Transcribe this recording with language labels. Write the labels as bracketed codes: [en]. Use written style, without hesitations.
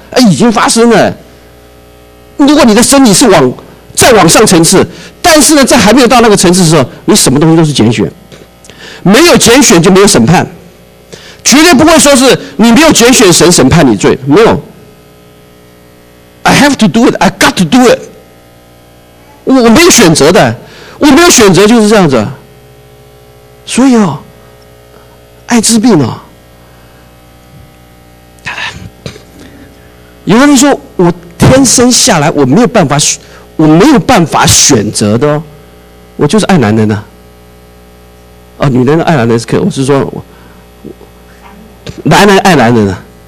[zh] 哎，已经发生了。如果你的身体是再往上层次，但是呢，在还没有到那个层次的时候，你什么东西都是拣选，没有拣选就没有审判，绝对不会说是你没有拣选神审判你罪，没有。 [en] I have to do it, I got to do it。 [zh] 我没有选择的，我没有选择就是这样子。所以啊、哦，艾滋病啊、哦，有人说我天生下来我没有办法选。我没有办法选择的、哦、我就是爱男人啊、哦、女人爱男人是可以，我是说我男人爱男人啊。